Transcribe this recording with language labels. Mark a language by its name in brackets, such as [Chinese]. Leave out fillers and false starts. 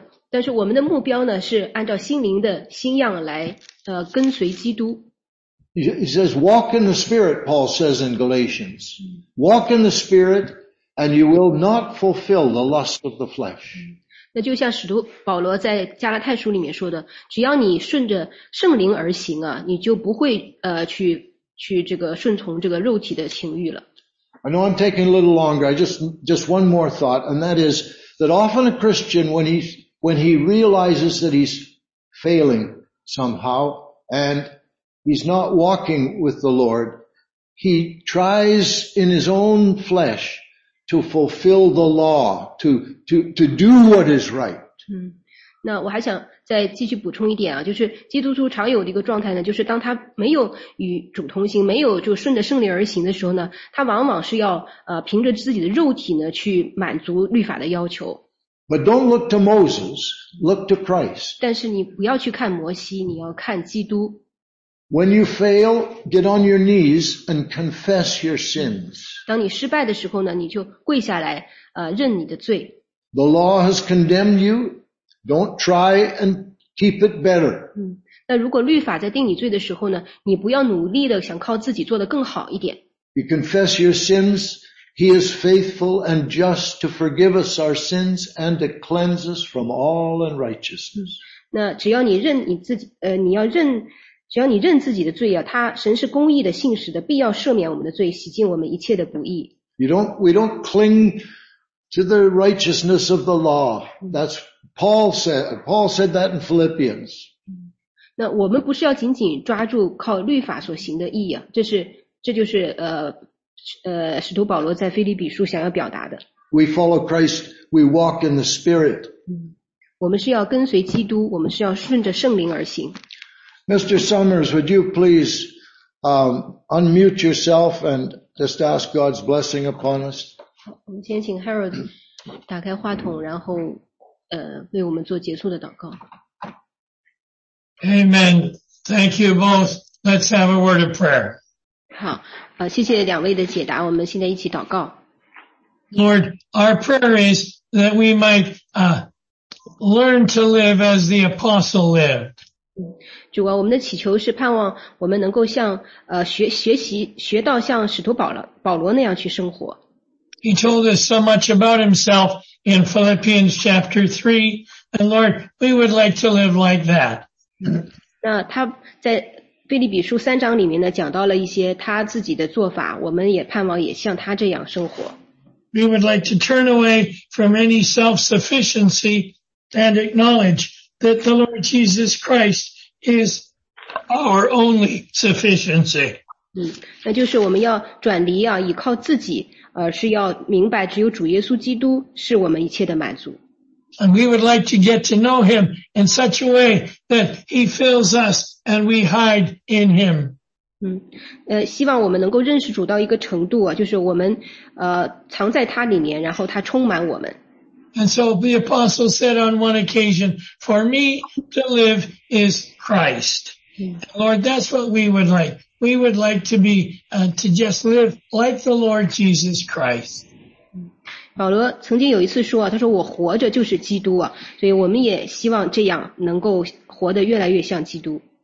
[Chinese] 但是我们的目标呢是按照心灵的新样来跟随基督。 [English] He says, walk in the Spirit, Paul says in Galatians. Walk in the Spirit, and you will not fulfill the lust of the flesh. [Chinese] 那就像使徒保罗在加拉太书里面说的，只要你顺着圣灵而行啊，你就不会去这个顺从这个肉体的情欲了。 [English] I know I'm taking a little longer. I just one more thought, and that is that often a Christian when he realizes that he's failing somehow and he's not walking with the Lord, he tries in his own flesh. To fulfill the law, to do what is right. [Chinese] 那我还想再继续补充一点啊，就是基督徒常有的一个状态呢，就是当他没有与主同行，没有就顺着圣灵而行的时候呢，他往往是要凭着自己的肉体呢去满足律法的要求。 [English] But don't look to Moses, look to Christ. [Chinese] 但是你不要去看摩西，你要看基督。 [English] When you fail, get on your knees and confess your sins. [Chinese] 当你失败的时候呢，你就跪下来，认你的罪。 [English] The law has condemned you. Don't try and keep it better. [Chinese] 那如果律法在定你罪的时候呢，你不要努力的想靠自己做得更好一点。 [English] You confess your sins. He is faithful and just to forgive us our sins and to cleanse us from all unrighteousness. [Chinese] 那只要你认你自己，你要认。只要你认自己的罪啊，他神是公义的、信实的，必要赦免我们的罪，洗净我们一切的不义。 [English] We don't cling to the righteousness of the law. That's Paul said. Paul said that in Philippians. [Chinese] 那我们不是要紧紧抓住靠律法所行的义啊？这就是使徒保罗在腓立比书想要表达的。 [English] We follow Christ. We walk in the Spirit. [Chinese] 我们是要跟随基督，我们是要顺着圣灵而行。 [English] Mr. Summers, would you please unmute yourself and just ask God's blessing upon us? [Chinese] 我们先请 Harold 打开话筒，然后为我们做结束的祷告。 [English] Amen. Thank you both. Let's have a word of prayer. [Chinese] 好，谢谢两位的解答，我们现在一起祷告。 [English] Lord, our prayer is that we might learn to live as the apostle lived. [Chinese] 主啊，我们的祈求是盼望我们能够像学到像使徒保罗那样去生活。 [English] He told us so much about himself in Philippians chapter 3, and Lord, we would like to live like that. [Chinese] 那他在腓立比书三章里面呢，讲到了一些他自己的做法，我们也盼望也像他这样生活。 [English] We would like to turn away from any self-sufficiency and acknowledge that the Lord Jesus Christ is our only sufficiency. [Chinese] 那就是我们要转离啊，依靠自己，是要明白只有主耶稣基督是我们一切的满足。 [English] And we would like to get to know him in such a way that he fills us and we hide in him. [Chinese] 希望我们能够认识主到一个程度啊，就是我们藏在他里面，然后他充满我们。 [English] And so the apostle said on one occasion, for me to live is Christ. Lord, that's what we would like. We would like to be, to just live like the Lord Jesus Christ. [Chinese] 保罗曾经有一次说，他说我活着就是基督啊，所以我们也希望这样能够活得越来越像基督。